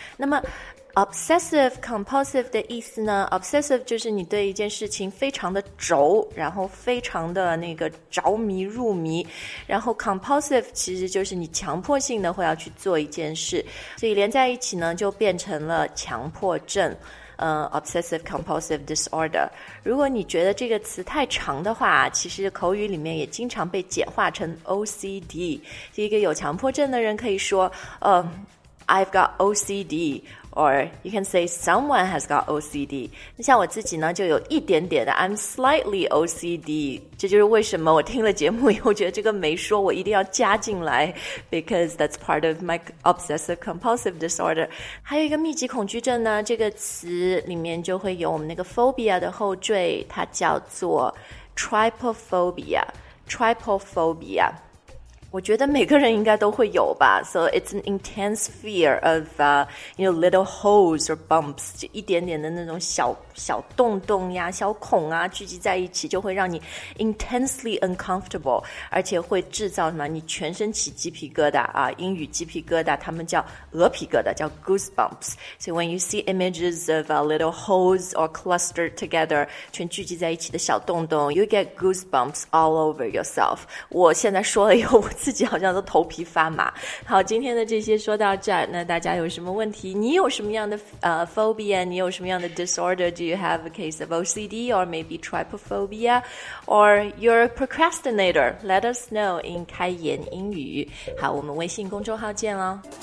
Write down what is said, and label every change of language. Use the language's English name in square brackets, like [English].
[Chinese] 那么 obsessive compulsive 的意思呢 ，obsessive 就是你对一件事情非常的轴，然后非常的那个着迷入迷，然后 compulsive 其实就是你强迫性的会要去做一件事，所以连在一起呢，就变成了强迫症。 [English] Obsessive compulsive disorder. [Chinese] 如果你觉得这个词太长的话，其实口语里面也经常被简化成 OCD. 一个有强迫症的人可以说， [English] I've got OCD, or you can say someone has got OCD. [Chinese] 像我自己呢，就有一点点的 [English] I'm slightly OCD. [Chinese] 这就是为什么我听了节目以后觉得这个没说，我一定要加进来 [English] because that's part of my obsessive compulsive disorder. [Chinese] 还有一个密集恐惧症呢，这个词里面就会有我们那个 phobia 的后缀，它叫做 trypophobia. Trypophobia. 我觉得每个人应该都会有吧。 [English] So it's an intense fear of, you know, little holes or bumps, [Chinese] 就一点点的那种小小洞洞呀小孔啊聚集在一起就会让你 [English] intensely uncomfortable, [Chinese] 而且会制造什么你全身起鸡皮疙瘩啊英语鸡皮疙瘩他们叫鹅皮疙瘩叫 goosebumps. [English] So when you see images of little holes or clustered together, [Chinese] 全聚集在一起的小洞洞 [English] you get goosebumps all over yourself. [Chinese] 我现在说了以后我自己好像都头皮发麻。好，今天的这些说到这儿，那大家有什么问题？你有什么样的phobia？ 你有什么样的 disorder？ [English] Do you have a case of OCD or maybe trypophobia? Or you're a procrastinator? Let us know in 开言英语。 [Chinese] 好，我们微信公众号见喽。